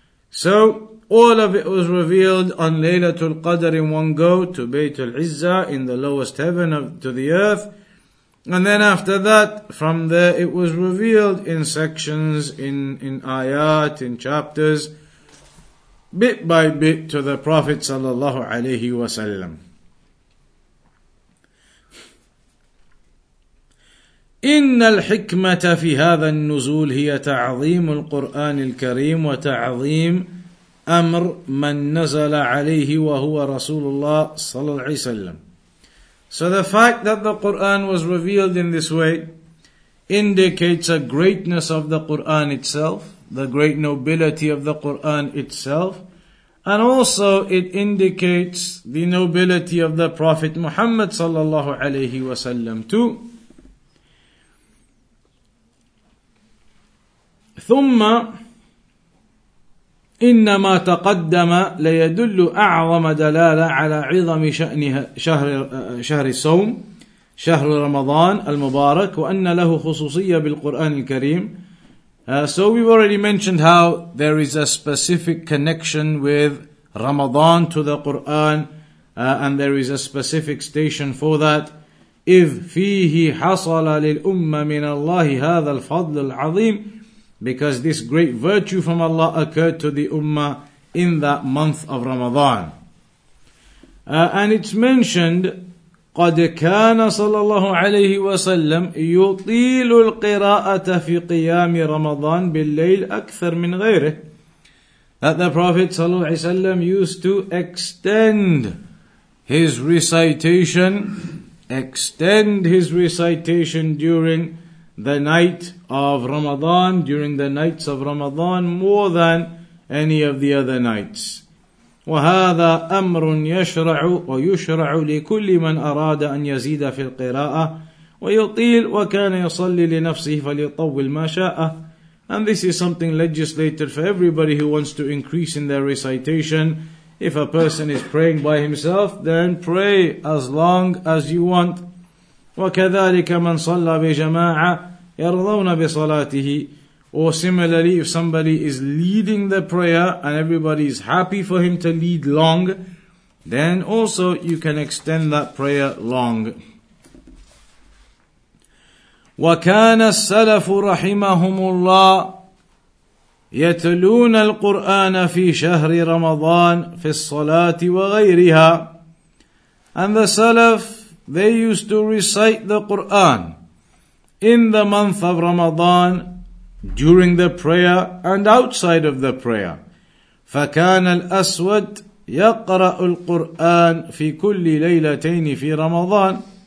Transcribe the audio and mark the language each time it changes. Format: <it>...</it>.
<en>So, all of it was revealed on Laylatul Qadr in one go to Baytul Izza in the lowest heaven of to the earth. And then after that, from there it was revealed in sections, in ayat, in chapters, bit by bit to the Prophet sallallahu alayhi wa sallam.</en> <ar>إن الحكمة في هذا النزول هي تعظيم القرآن الكريم وتعظيم أمر من نزل عليه وهو رسول الله صلى الله عليه وسلم.</ar> <en>So the fact that the Quran was revealed in this way indicates a greatness of the Quran itself, the great nobility of the Quran itself, and also it indicates the nobility of the Prophet Muhammad صلى الله عليه وسلم too.</en> <ar>ثم إنما تقدم ليدل أعظم دلالة على عظم شأن شهر الصوم شهر رمضان المبارك وأن له خصوصية بالقرآن الكريم.</ar> <en>So we've already mentioned how there is a specific connection with Ramadan to the Quran, and there is a specific station for that.</en> <ar>إذ فيه حصل للأمة من الله هذا الفضل العظيم.</ar> <en>Because this great virtue from Allah occurred to the Ummah in that month of Ramadan. And it's mentioned,</en> <ar>قَدْ كَانَ صَلَى اللَّهُ عَلَيْهِ وَسَلَّمْ يُطِيلُ الْقِرَاءَةَ فِي قِيَامِ رَمَضَانِ بِالْلَّيْلِ أَكْثَرْ مِنْ غَيْرِهِ.</ar> <en>That the Prophet صلى الله عليه وسلم used to extend his recitation during the night of Ramadan, during the nights of Ramadan, more than any of the other nights.</en> <ar>وهذا أمر يشرع ويشرع لكل من أراد أن يزيد في القراءة ويطيل وكان يصلي لنفسه فليطول ما شاء.</ar> <en>And this is something legislated for everybody who wants to increase in their recitation. If a person is praying by himself, then pray as long as you want.</en> <ar>وكذلك من صلى بجماعة يرضون بصلاته.</ar> <en>Or similarly, if somebody is leading the prayer and everybody is happy for him to lead long, then also you can extend that prayer long.</en> <ar>وكان السلف رحمهم الله يتلون القرآن في شهر رمضان في الصلاة وغيرها.</ar> <en>And the Salaf, they used to recite the Quran in the month of Ramadan, during the prayer and outside of the prayer.</en> <ar>فَكَانَ الْأَسْوَدْ يَقْرَأُ الْقُرْآنِ فِي كُلِّ لَيْلَتَيْنِ فِي رَمَضَانِ.</ar>